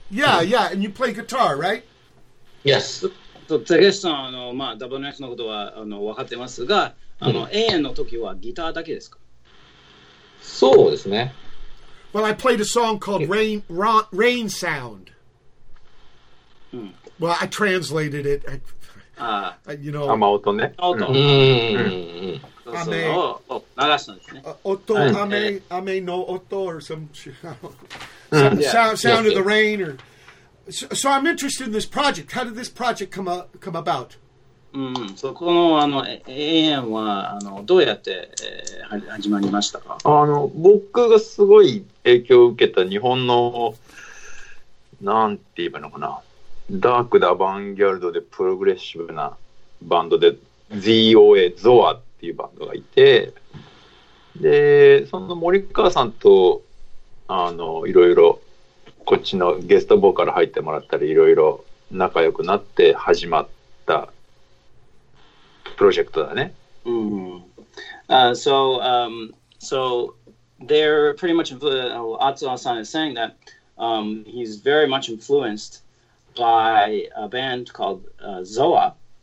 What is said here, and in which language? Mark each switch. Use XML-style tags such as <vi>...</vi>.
<en>Yeah, and you play guitar, right? Yes.</en> <ja>So Takeshi さん、まあ、ダブルネックのことは分かってますが、永遠の時はギターだけですか？そうですね。</ja> <en>Well, I played a song called Rain Sound. Well, I translated it. You know.</en> <ja>雨音ね。音。雨を流したんですね。音、雨の音</ja> <en>or sound of the rain or... So I'm interested in this project. How did this project come about?</en> <ja>そこの永遠はどうやって始まりましたか？僕がすごい影響を受けた日本のなんて言えばいいのかな、ダークでアバンギャルドでプログレッシブなバンドで ZOA ゾアっていうバンドがいて、でその森川さんといろいろこっちのゲストボーカル入ってもらったりいろいろ仲良くなって始まったプロジェクトだね。</ja> <en>So they're pretty much Atsuo-san is saying that he's very much influenced by a band called Zoa,</en>